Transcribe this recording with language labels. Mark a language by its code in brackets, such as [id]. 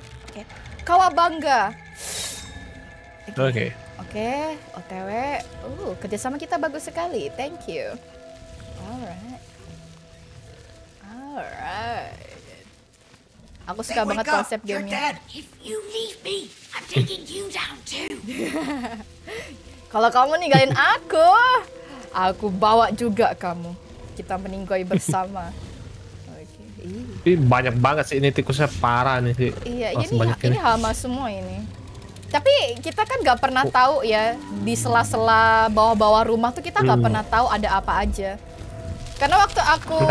[id] Oke. Okay. Kawabanga. Oke. Okay. Oke, okay, OTW. Kerjasama kita bagus sekali. [en] Thank you. Alright. [id] Aku suka banget konsep game-nya. [en] If you leave me, I'm taking you down too. [id] Kalau kamu ninggalin aku bawa juga kamu. Kita meninggoy bersama. Oke. Okay. Ih, banyak banget sih ini tikusnya, parah nih sih. Iya, ini hama semua ini. Tapi kita kan gak pernah tahu ya, di sela-sela bawah-bawah rumah tuh kita gak pernah tahu ada apa aja. Karena waktu aku...